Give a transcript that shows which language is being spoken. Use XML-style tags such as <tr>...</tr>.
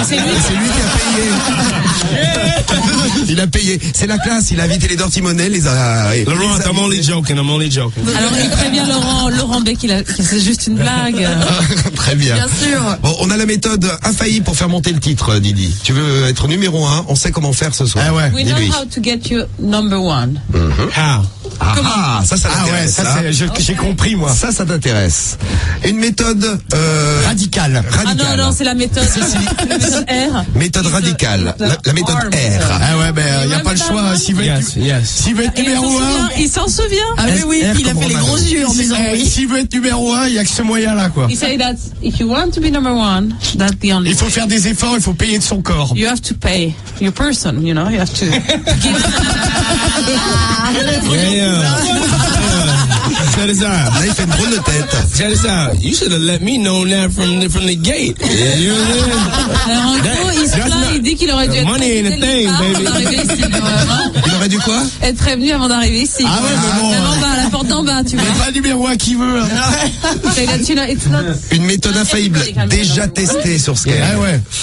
<fr>C'est lui qui a payé. Il a payé. C'est la classe. Il a invité les Dirty Money.</fr> <en>Laurent, I'm only joking. I'm only joking.</en> <fr>Alors, il prévient Laurent B qu'il a, c'est juste une blague. Très bien. Bien sûr. Bon, on a la méthode infaillible pour faire monter le titre, Didi. Tu veux être numéro un, on sait comment faire ce soir. Ah ouais.</fr> <en>We know how to get you number one. Mm-hmm.</en> <fr>Ah. Ça t'intéresse. Ouais, ça, hein. J'ai compris, moi. Ça t'intéresse. Une méthode radicale. Ah non, c'est la méthode. C'est la méthode R. Méthode radicale. La méthode R. Ah ouais, ben, il n'y a pas le choix. S'il veut être numéro un. Il s'en souvient. Ah mais oui, il a fait les gros yeux en disant oui. S'il veut être numéro un, il n'y a que ce moyen-là, quoi.</fr> <en>He said that if you want to be number one, that's the only</en> <fr>way. Il faut faire des efforts, il faut payer de son corps.</fr> <en>You have to pay your person, you know, you have to give.</en> <fr>Là, il fait une drôle de tête.</fr> <en>Check this out. You should have let me know that from the gate. Yeah. You know what I mean?</en> <fr>Alors, en gros, il dit qu'il aurait dû être</fr> <en>money in a thing, baby.</en> <fr>Avant d'arriver ici. Il aurait dû quoi? Être prévenu avant d'arriver ici. Ah ouais, mais bon. La porte d'en bas, tu vois. Il n'y a pas numéro un qui veut. Une méthode infaillible déjà testée sur Sky. Ah ouais.</fr>